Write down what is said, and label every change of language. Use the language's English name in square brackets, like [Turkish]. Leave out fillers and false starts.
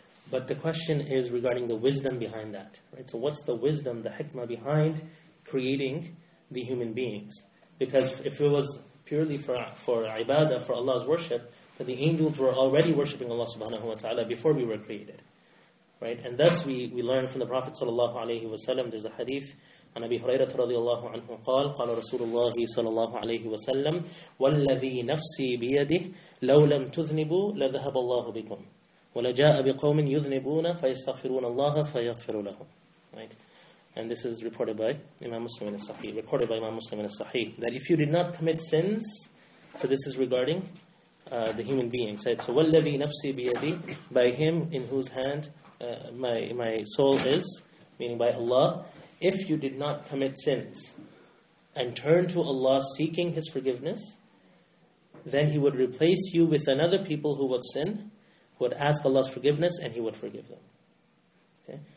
[English] But the question is regarding the wisdom behind that. Right? So what's the wisdom, the hikmah behind creating the human beings? Because if it was purely for ibadah, for Allah's worship, then the angels were already worshiping Allah subhanahu wa ta'ala before we were created. Right? And thus we learn from the Prophet sallallahu alayhi wa sallam, there's a hadith, [Arabic] عن أبي هريرة رضي الله عنه قال قال رسول الله صلى الله عليه وسلم والذي نفسي بيده لو لم تذنبوا لذهب الله بكم ولجاء بقوم يذنبون فيستغفرون الله فيغفر لهم. [English] Right, and this is reported by Imam Muslim in Sahih, that if you did not commit sins, So this is regarding the human being. Said, so [Arabic] وَالَّذِي نَفْسِي بِيَدِي, [English] by him in whose hand my soul is, meaning by Allah, if you did not commit sins and turn to Allah seeking His forgiveness, then He would replace you with another people who would sin, who would ask Allah's forgiveness, and He would forgive them. Okay?